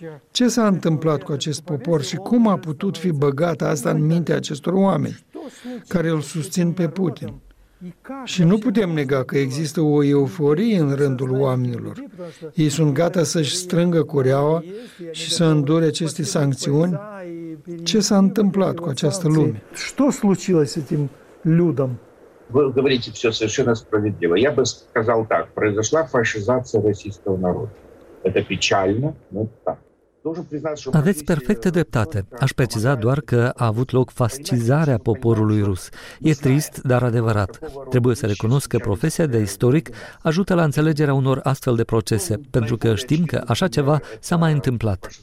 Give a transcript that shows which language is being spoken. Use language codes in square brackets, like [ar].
[ro] Ce s-a întâmplat cu acest popor și cum a putut fi băgată asta în mintea acestor oameni care îl susțin pe Putin? Și nu putem nega că există o euforie în rândul oamenilor. Ei sunt gata să-și strângă cureaua și să îndure aceste sancțiuni. Ce s-a întâmplat cu această lume? Ce s-a întâmplat cu acest [ru] людям? Вы говорите все совершенно справедливо. Я бы сказал так: произошла фашизация российского народа. Это печально, но так. [ro] Aveți perfectă dreptate. Aș preciza doar că a avut loc fascizarea poporului rus. E trist, dar adevărat. Trebuie să recunosc că profesia de istoric ajută la înțelegerea unor astfel de procese, pentru că știm că așa ceva s-a mai întâmplat.